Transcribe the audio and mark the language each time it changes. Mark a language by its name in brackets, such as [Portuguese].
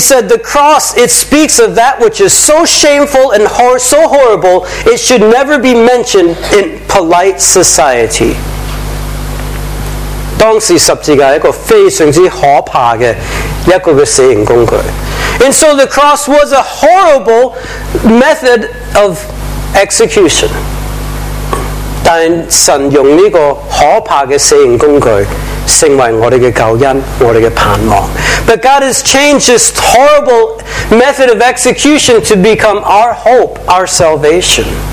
[English] said, the cross, it speaks of that which is so shameful and so horrible, it should never be mentioned in polite society. [Chinese] 当时十字架是一个非常可怕的死刑工具。 [English] And so the cross was a horrible method of execution. [Chinese] 但神用这个可怕的死刑工具成为我们的救恩，我们的盼望。 [English] But God has changed this horrible method of execution to become our hope, our salvation.